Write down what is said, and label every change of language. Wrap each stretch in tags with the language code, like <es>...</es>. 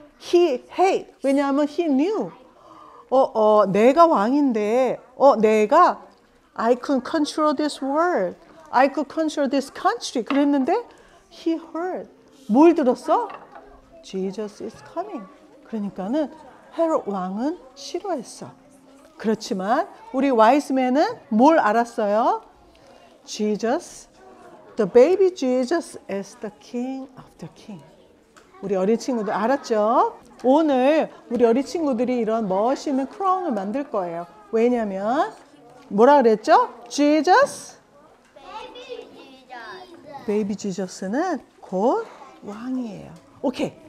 <en>He hate.</en> <ko>왜냐하면</ko> <en>he knew.</en> <ko>내가 왕인데, 내가</ko> <en>I could control this world. I could control this country.</en> <ko>그랬는데</ko> <en>he heard.</en> <ko>뭘 들었어?</ko> <en>Jesus is coming.</en> <ko>그러니까는 헤롯 왕은 싫어했어. 그렇지만 우리 wise man은 뭘 알았어요?</ko> <en>Jesus, the baby Jesus is the king of the king.</en> <ko>우리 어린 친구들 알았죠? 오늘 우리 어린 친구들이 이런 멋있는 크라운을 만들 거예요. 왜냐면 뭐라 그랬죠? Jesus? Baby Jesus는 곧 왕이에요. 오케이.</ko>